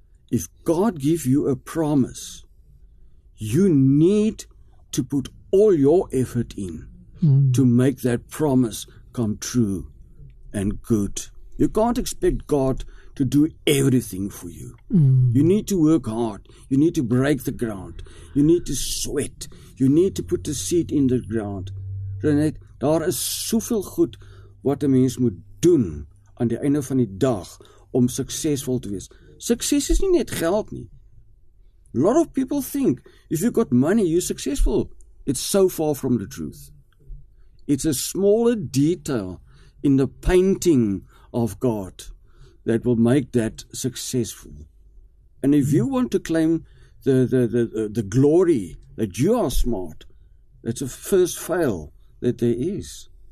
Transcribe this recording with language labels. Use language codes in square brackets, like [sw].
[en] If God gives you a promise, you need to put all your effort in to make that promise come true and good. You can't expect God to do everything for you. You need to work hard. You need to break the ground. You need to sweat. You need to put the seed in the ground. [af] Renet, daar is soveel goed wat 'n mens moet doen aan die einde van die dag om suksesvol te wees. Sukses is nie net geld nie. [en] A lot of people think if you got money, you're successful. It's so far from the truth. It's a smaller detail in the painting of God that will make that successful. And if you want to claim the glory that you are smart, that's a first fail that there is.